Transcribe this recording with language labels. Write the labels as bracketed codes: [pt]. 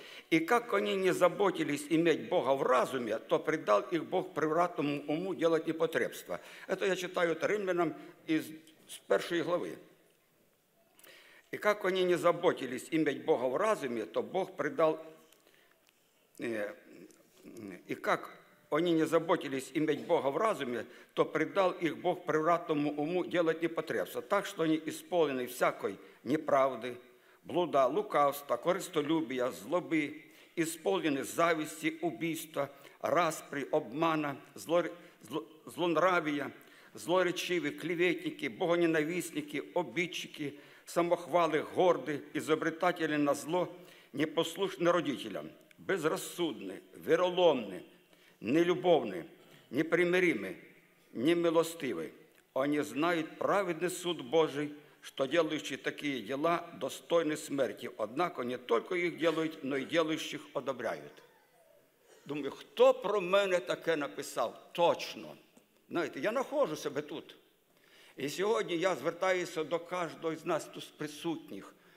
[uk] «І як вони не заботились іметь Бога в разумі, то придав їх Бог привратному уму ділати потребства». Це я читаю римлянам з 1 глави. «І як вони не заботились іметь Бога в разумі, то Бог придав... І як... [ru] Вони не заботились иметь Бога в разуме, то предал их Бог превратному уму делать непотребство, так что они исполнены всякой неправды, блуда, лукавства, корыстолюбия, злобы, исполнены зависти, убийства, распри, обмана, злонравия, злоречивы, клеветники, богоненавистники, обидчики, самохвалы, горды, изобретатели на зло, непослушны родителям, безрассудны, вероломны, [uk] нелюбовні, непримиримі, немилостиві. Вони знають праведний суд Божий, що, ділаючи такі діла, достойні смерті. Однак не тільки їх ділають, але й ділаючих одобряють. Думаю, хто про мене таке написав? Точно. Знаєте, я знаходжу себе тут. І сьогодні я звертаюся до кожного з нас тут присутніх.